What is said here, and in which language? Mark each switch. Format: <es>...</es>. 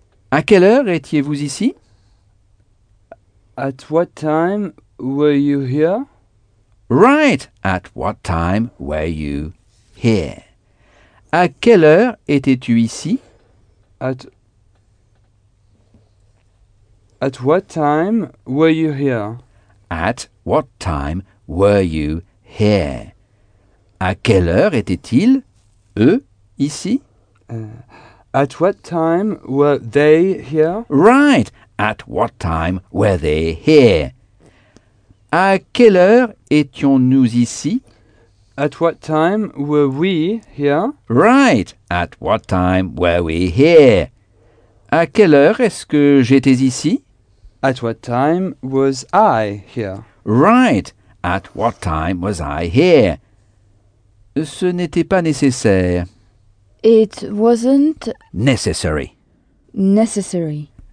<fr>À quelle heure étiez-vous ici?</fr> <en>At what time were you here? Right! At what time were you here?</en> <fr>À quelle heure étais-tu ici?</fr> <en>At what time were you here? At what time were you here?</en> <fr>À quelle heure étaient-ils, eux, ici?</fr> <en>At what time were they here? Right! At what time were they here?</en> <fr>À quelle heure étions-nous ici?</fr> <en>At what time were we here? Right! At what time were we here?</en> <fr>À quelle heure est-ce que j'étais ici?</fr> <en>At what time was I here? Right! At what time was I here?</en> <fr>Ce n'était pas nécessaire.</fr> <en>It wasn't necessary. Necessary.</en>